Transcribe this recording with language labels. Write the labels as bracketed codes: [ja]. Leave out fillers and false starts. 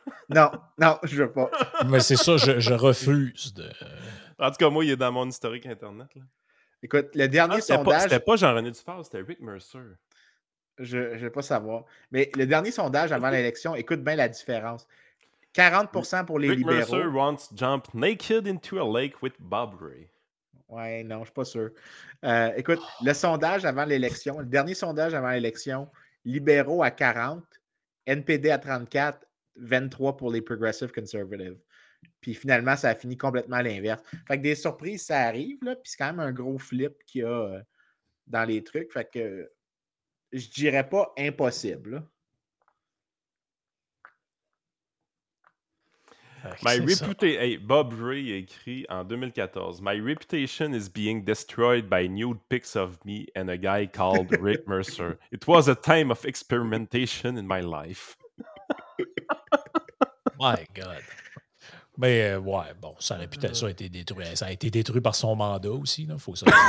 [fr] Non, non, je veux pas. Mais c'est ça, je refuse de. En tout cas, moi, il est dans mon historique Internet. Là. Écoute, le dernier sondage. C'était pas Jean-René Dufort, c'était Rick Mercer. Je ne vais pas savoir. Mais le dernier sondage avant l'élection, écoute bien la différence. 40% pour les Rick libéraux. [en] Rick Mercer wants to jump naked into a lake with Bob Ray. [fr] Ouais, non, je ne suis pas sûr. Écoute, le sondage avant l'élection, le dernier sondage avant l'élection, libéraux à 40, NPD à 34, 23 pour les progressive conservatives. Puis finalement, ça a fini complètement à l'inverse. Fait que des surprises, ça arrive, là, puis c'est quand même un gros flip qu'il y a dans les trucs. Fait que je dirais pas impossible. [en] My hey, [fr] Bob Ray écrit en 2014, [en] « My reputation is being destroyed by nude pics of me and a guy called Rick Mercer. It was a time of experimentation in my life. » My God. [fr] Mais ouais, bon, sa réputation a été détruite. Ça a été détruit par son mandat aussi, là, faut ça.